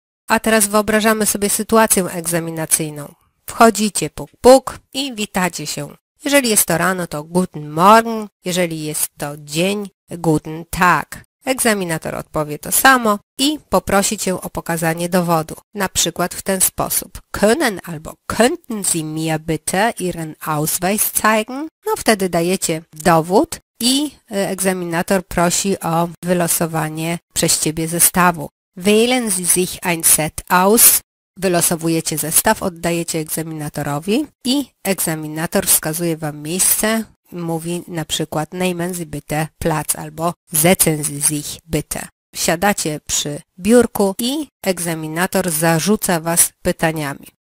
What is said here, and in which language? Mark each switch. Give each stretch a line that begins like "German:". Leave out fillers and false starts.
Polish: A teraz wyobrażamy sobie sytuację egzaminacyjną. Wchodzicie, puk, puk i witacie się. Jeżeli jest to rano, to
German: Guten Morgen,
Polish: jeżeli jest to dzień,
German: Guten Tag.
Polish: Egzaminator odpowie to samo i poprosi Cię o pokazanie dowodu. Na przykład w ten sposób.
German: Können
Polish: albo
German: könnten Sie mir bitte Ihren Ausweis zeigen?
Polish: No wtedy dajecie dowód i egzaminator prosi o wylosowanie przez Ciebie zestawu.
German: Wählen Sie sich ein Set aus.
Polish: Wylosowujecie zestaw, oddajecie egzaminatorowi i egzaminator wskazuje Wam miejsce, mówi na przykład
German: Nehmen Sie bitte Platz
Polish: albo
German: Setzen Sie sich bitte.
Polish: Siadacie przy biurku i egzaminator zarzuca Was pytaniami.